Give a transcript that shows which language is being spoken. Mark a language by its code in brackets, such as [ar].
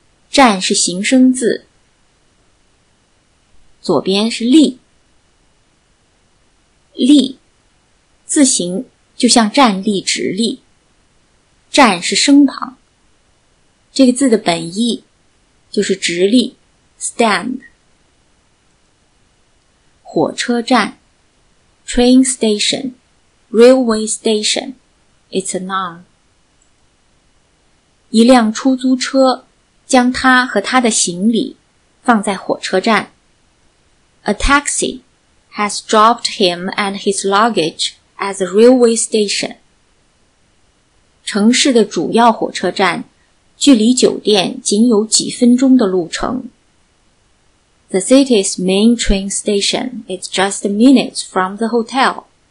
[zh] 站是形声字，左边是立，立字形就像站立、直立，站是声旁，这个字的本意就是直立 stand。 [en] 火车站 train station, railway station, it's a noun。 [zh] 一辆出租车将他和他的行李放在火车站。 [en] A taxi has dropped him and his luggage at the railway station。 [zh] 城市的主要火车站距离酒店仅有几分钟的路程。 [en] The city's main train station is just minutes from the hotel.